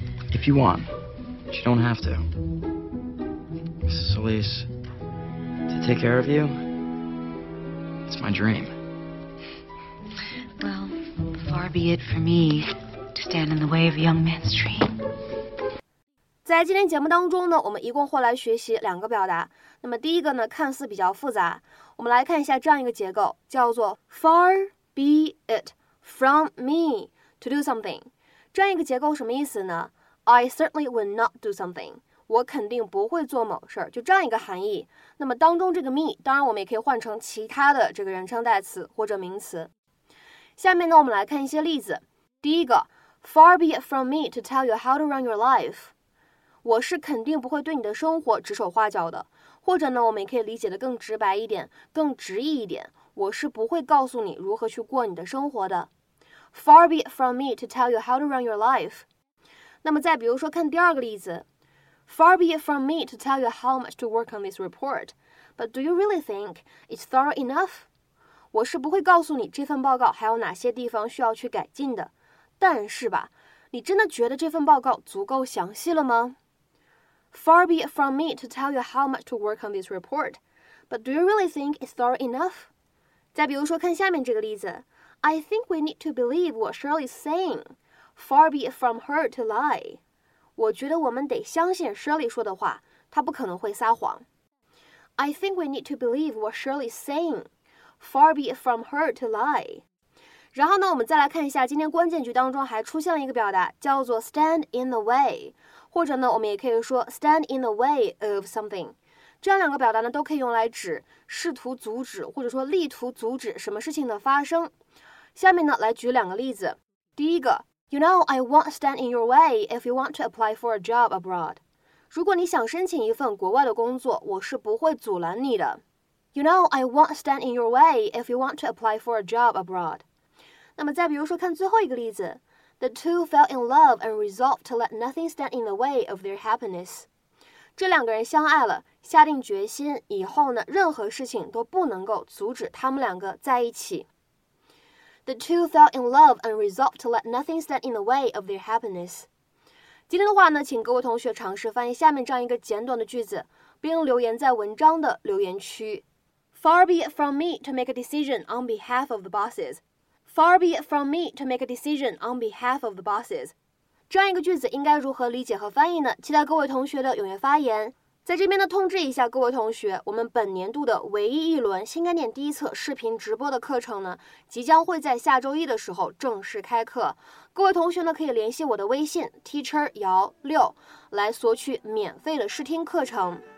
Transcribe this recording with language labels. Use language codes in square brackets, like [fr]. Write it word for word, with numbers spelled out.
[en] If you want. But you don't have to. Missus Solis, to take care of you, it's my dream. Well, far be it for me to stand in the way of a young man's dream. [zh] 在今天节目当中呢，我们一共会来学习两个表达。那么第一个呢，看似比较复杂，我们来看一下这样一个结构，叫做 [en] far be it from me to do something。 [zh] 这样一个结构什么意思呢？ [en] I certainly would not do something. [zh] 我肯定不会做某事儿，就这样一个含义。那么当中这个 me 当然我们也可以换成其他的这个人称代词或者名词。下面呢我们来看一些例子。 [en] 第一个 Far be it from me to tell you how to run your life. [zh] 我是肯定不会对你的生活指手画脚的。或者呢我们也可以理解的更直白一点，更直译一点，我是不会告诉你如何去过你的生活的。 [en] Far be it from me to tell you how to run your life. [zh] 那么再比如说看第二个例子。 [en] Far be it from me to tell you how much to work on this report, but do you really think it's thorough enough? [zh] 我是不会告诉你这份报告还有哪些地方需要去改进的，但是吧，你真的觉得这份报告足够详细了吗？ [en] Far be it from me to tell you how much to work on this report, but do you really think it's thorough enough? [zh] 再比如说看下面这个例子 [en] I think we need to believe what Shirley is saying. Far be it from her to lie. [zh] 我觉得我们得相信 Shirley 说的话，她不可能会撒谎。 [en] I think we need to believe what Shirley is saying. Far be it from her to lie. [zh] 然后呢，我们再来看一下，今天关键句当中还出现了一个表达，叫做 stand in the way， 或者呢，我们也可以说 stand in the way of something。这样两个表达呢，都可以用来指试图阻止，或者说力图阻止什么事情的发生。下面呢，来举两个例子。第一个。 [en] You know, I won't stand in your way if you want to apply for a job abroad. [zh] 如果你想申请一份国外的工作，我是不会阻拦你的。 [en] You know, I won't stand in your way if you want to apply for a job abroad. [zh] 那么再比如说看最后一个例子 [en] The two fell in love and resolved to let nothing stand in the way of their happiness. [zh] 这两个人相爱了，下定决心，以后呢，任何事情都不能够阻止他们两个在一起。 [en] The two fell in love and resolved to let nothing stand in the way of their happiness. [zh] 今天的话呢，请各位同学尝试翻译下面这样一个简短的句子，并留言在文章的留言区。 [en] Far be it from me to make a decision on behalf of the bosses. Far be it from me to make a decision on behalf of the bosses. [zh] 这样一个句子应该如何理解和翻译呢？期待各位同学的踊跃发言。在这边呢，通知一下各位同学，我们本年度的唯一一轮新概念第一册视频直播的课程呢，即将会在下周一的时候正式开课。各位同学呢，可以联系我的微信 teacher 姚六来索取免费的试听课程。